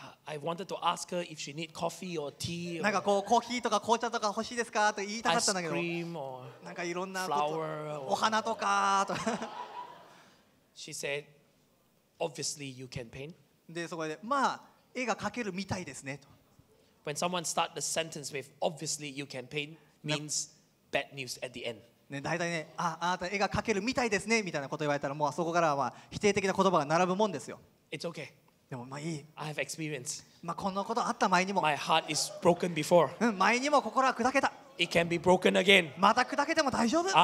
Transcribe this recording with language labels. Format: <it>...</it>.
<en>I wanted to ask her if she need coffee or tea. Or</en> <ja>なんかこうコーヒーとか紅茶とか欲しいですかと言いたかったんだけど。</ja> <en>Ice cream or</en> <ja>なんかいろんなこと。お花とかと。</ja> <en>She said, "Obviously, you can paint."</en> <ja>でそこでまあ絵が描けるみたいですねと。</ja> <en>When someone start the sentence with "Obviously, you can paint," means bad news at the end.</en> <ja>ね大体ねあなた絵が描けるみたいですねみたいなこと言われたらもうそこからは否定的な言葉が並ぶもんですよ。</ja> <en>It's okay.</en> <ja>でもまあいい。</ja> <en>I have experience.</en> <ja>まあこんなことあった前にも。</ja> <en>My heart is broken before.</en> <ja>前にも心は砕けた。</ja> <en>It can be broken again.</en> <ja>また砕けても大丈夫。</ja>